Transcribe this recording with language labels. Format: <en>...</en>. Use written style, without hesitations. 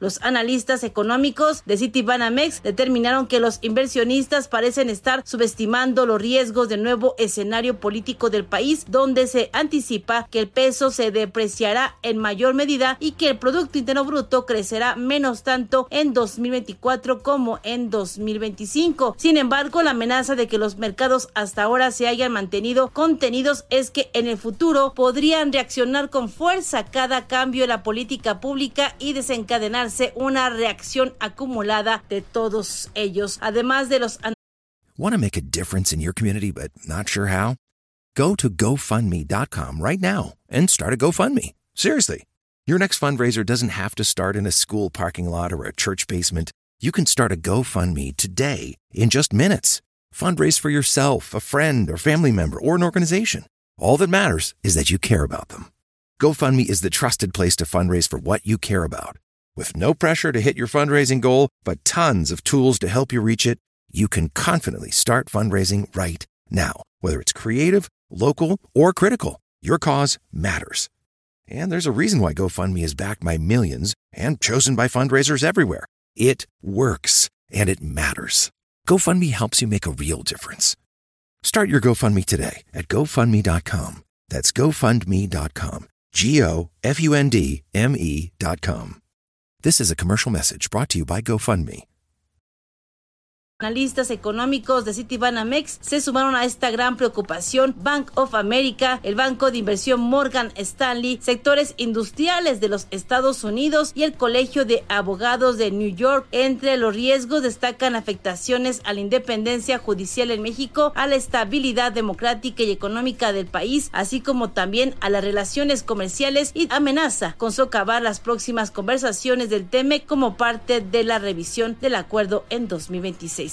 <es>Los analistas económicos de Citibanamex determinaron que los inversionistas parecen estar subestimando los riesgos del nuevo escenario político del país, donde se anticipa que el peso se depreciará en mayor medida y que el Producto Interno Bruto crecerá menos tanto en 2024 como en 2025. Sin embargo, la amenaza de que los mercados hasta ahora se hayan mantenido contenidos es que en el futuro podrían reaccionar con fuerza cada cambio en la política pública y desencadenarse una reacción acumulada de todos ellos. Además de los...</es> <en>Want to make a difference in your community but not sure how? Go to GoFundMe.com right now and start a GoFundMe. Seriously, your next fundraiser doesn't have to start in a school parking lot or a church basement. You can start a GoFundMe today in just minutes. Fundraise for yourself, a friend, or family member, or an organization. All that matters is that you care about them. GoFundMe is the trusted place to fundraise for what you care about. With no pressure to hit your fundraising goal, but tons of tools to help you reach it, you can confidently start fundraising right now. Whether it's creative, local, or critical, your cause matters. And there's a reason why GoFundMe is backed by millions and chosen by fundraisers everywhere. It works, and it matters. GoFundMe helps you make a real difference. Start your GoFundMe today at GoFundMe.com. That's GoFundMe.com. GoFundMe.com. This is a commercial message brought to you by GoFundMe.</en> <es>Analistas económicos de Citibanamex se sumaron a esta gran preocupación. Bank of America, el banco de inversión Morgan Stanley, sectores industriales de los Estados Unidos y el Colegio de Abogados de New York. Entre los riesgos destacan afectaciones a la independencia judicial en México, a la estabilidad democrática y económica del país, así como también a las relaciones comerciales, y amenaza con socavar las próximas conversaciones del T-MEC como parte de la revisión del acuerdo en 2025.</es>